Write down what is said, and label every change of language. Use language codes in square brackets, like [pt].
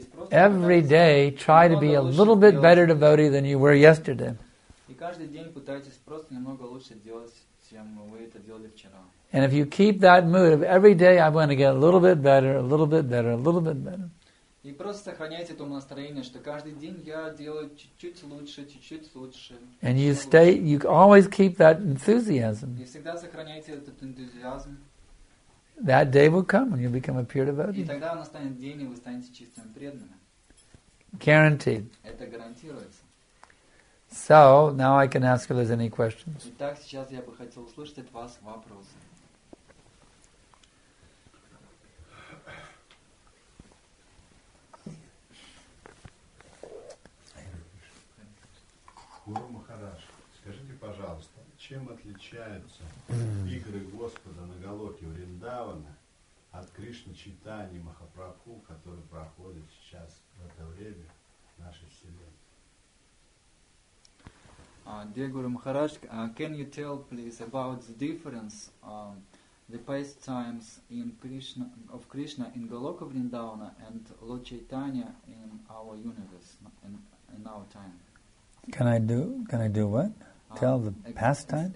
[en] Every day, try to be a little bit better devotee than you were yesterday. And if you keep that mood of every day, I'm going to get a little bit better, a little bit better, a little bit better. [ru] И просто сохраняйте то настроение, что каждый день я делаю чуть-чуть лучше, чуть-чуть лучше. [en] And you stay, you always keep that enthusiasm. [ru] И всегда сохраняйте этот энтузиазм. [en] That day will come when you become a pure devotee. [ru] И тогда настанет день, и вы станете чистыми преданными. [en] Guaranteed. [ru] Это гарантируется. [en] So, now I can ask if there's any questions. [ru] Итак, сейчас я бы хотел услышать от вас вопросы. Гуру Махарадж, скажите, пожалуйста, чем отличаются игры Господа на Голоке Вриндавана от Кришны Чайтаньи Махапрабху, который проходит сейчас в это время в нашей вселенной? [en] Dear Guru Maharaj, can you tell please about the difference the pastimes in Krishna of Krishna in Goloka Vrindavana and Lord Chaitanya in our universe in our time? Can I do what? Tell the pastimes?